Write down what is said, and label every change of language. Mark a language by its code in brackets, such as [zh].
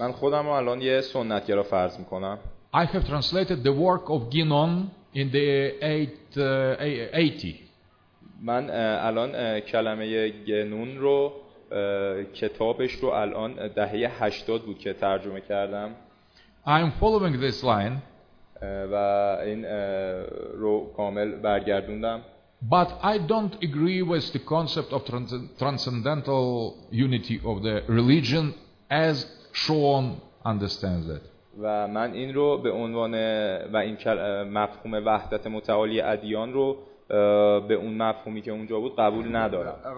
[fa] من خودم رو الان یه سنت‌گرا فرض می‌کنم. [en] I have translated the work of Ginon in the 80. [fa] من الان کلمه گنون رو کتابش رو الان دهه 80 بود که ترجمه کردم. [en] I am following this line. [fa] و این رو کامل برگردوندم. [en] But I don't agree with the concept of transcendental unity of the religion as Schwan understands it. [fa] و من این رو به عنوان و این مفهوم وحدت متعالی ادیان رو به اون مفهومی که اونجا بود قبول ندارم.